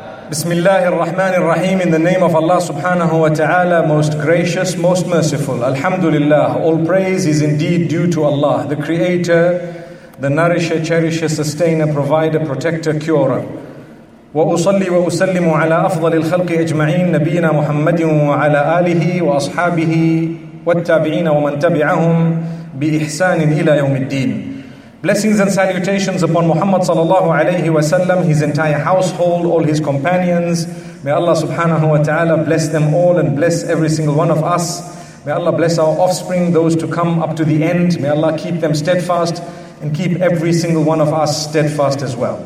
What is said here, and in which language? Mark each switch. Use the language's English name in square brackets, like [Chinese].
[English] Bismillahir Rahmanir Rahim. In the name of Allah subhanahu wa ta'ala, most gracious, most merciful. Alhamdulillah. All praise is indeed due to Allah, the Creator, the Nourisher, Cherisher, Sustainer, Provider, Protector, Curer. [Arabic] وأصلي وأسلم على أفضل الخلق أجمعين نبينا محمد وعلى آله وأصحابه والتابعين ومن تبعهم بإحسان إلى يوم الدين. [English] Blessings and salutations upon Muhammad sallallahu alayhi wa sallam, his entire household, all his companions. May Allah subhanahu wa ta'ala bless them all and bless every single one of us. May Allah bless our offspring, those to come up to the end. May Allah keep them steadfast and keep every single one of us steadfast as well.